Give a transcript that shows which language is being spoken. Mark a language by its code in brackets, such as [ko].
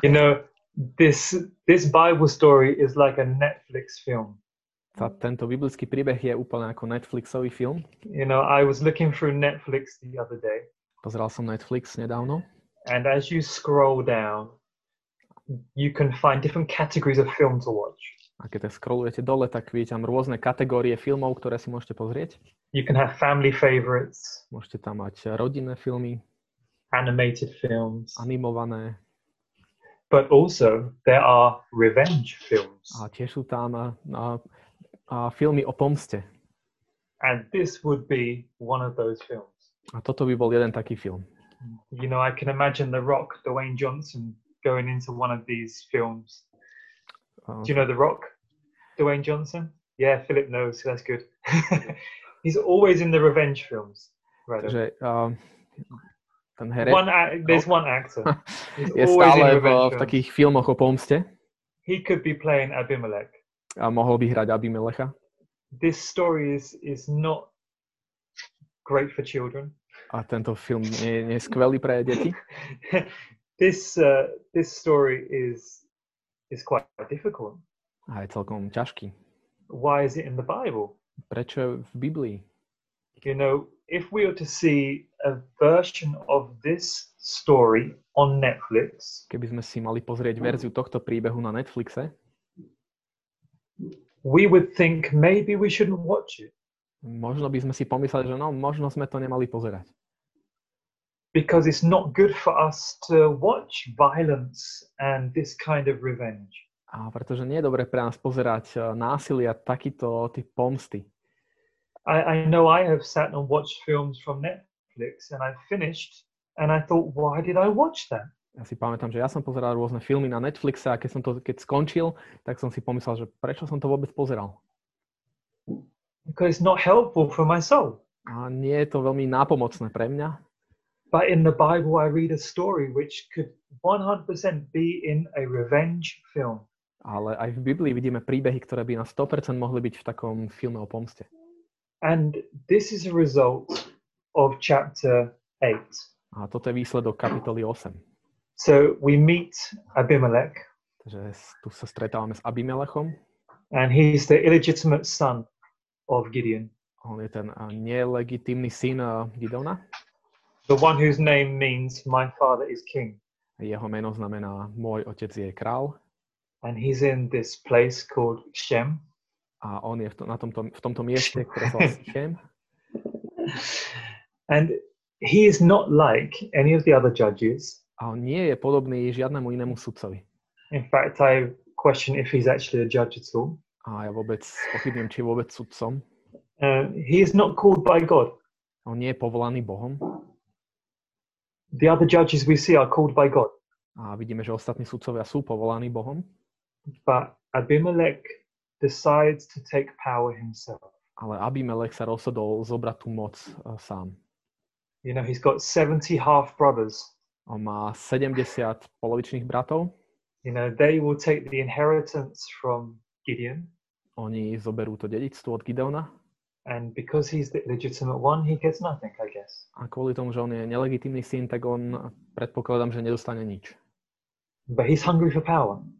[en] You know, this Bible story is like a Netflix film. [sk] Tento biblický príbeh je úplne ako Netflixový film. [en] You know, I was looking through Netflix the other day. [sk] Pozeral som Netflix nedávno. [en] And as you scroll down, you can find different categories of film to watch. [sk] A keď scrollujete dole, tak vidíte tam rôzne kategórie filmov, ktoré si môžete pozrieť. [en] You can have family favorites. [sk] Môžete tam mať rodinné filmy. [en] Animated films. [sk] Animované. [en] But also there are revenge films. [sk] A tiež sú tam a filmy o pomste. [en] And this would be one of those films. [sk] A toto by bol jeden taký film. [en] You know, I can imagine The Rock, Dwayne Johnson, going into one of these films. Do you know The Rock? Dwayne Johnson? Yeah, Philip knows, so that's good. He's always in the revenge films. Right. [sk] Že, ten herec. [en] There's one actor. [sk] Je stále v takých filmoch o pomste. [en] He could be playing Abimelech. [sk] A mohol by hrať Abimelecha. [en] This story is not great for children. [sk] A tento film nie je skvelý pre deti. [en] This story is quite difficult. [sk] A je celkom ťažký. [en] Why is it in the Bible? [sk] Prečo je v Biblii? [en] You know, if we were to see a version of this story on Netflix, [sk] keby sme si mali pozrieť verziu tohto príbehu na Netflixe, [en] we would think maybe we shouldn't watch it. [sk] Možno by sme si pomysleli, že no, možno sme to nemali pozerať. [en] Because it's not good for us to watch violence and this kind of revenge. [sk] A pretože nie je dobre pre nás pozerať násilie a takýto typ pomsty. [en] I know I have sat and watched films from Netflix and I finished and I thought, why did I watch that? [sk] Ja si pamätám, že ja som pozeral rôzne filmy na Netflixe a keď skončil, tak som si pomyslel, že prečo som to vôbec pozeral? [en] Because it's not helpful for my soul. [sk] A nie je to veľmi nápomocné pre mňa. [en] But in the Bible I read a story which could 100% be in a revenge film. [sk] Ale aj v Biblii vidíme príbehy, ktoré by na 100% mohli byť v takom filme o pomste. [en] And this is a result of chapter 8. [sk] A toto je výsledok kapitoly 8. [en] So we meet Abimelech. [sk] že tu sa stretávame s Abimelechom. [en] And he is the illegitimate son of Gideon. [sk] On je ten nelegitímny syn Gideona. [en] The one whose name means my father is king. [sk] Jeho meno znamená môj otec je král. [en] And he's in this place called Shem. [sk] A on je v tomto mieste, ktoré sa volá Shem. [en] And he is not like any of the other judges. [sk] A on nie je podobný žiadnemu inému sudcovi. [en] In fact, I question if he's actually a judge at all. [sk] A ja vôbec pochybujem, či je vôbec sudcom. [en] He is not called by God. [sk] On nie je povolaný Bohom. [en] The other judges we see are called by God. [sk] A vidíme, že ostatní sudcovia sú povolaní Bohom. [en] But Abimelech decides to take power himself. [sk] Ale Abimelech sa rozhodol zobrať tú moc sám. [en] You know, he's got 70 half brothers. [sk] On má 70 polovičných bratov. [en] You know, they will take the inheritance from Gideon. [sk] Oni zoberú to dedičstvo od Gideona. [en] And because he's the legitimate one, he gets nothing, I guess. [sk] A kvôli tomu, že on je nelegitímny syn, tak on predpokladám, že nedostane nič. [en] But he's hungry for power.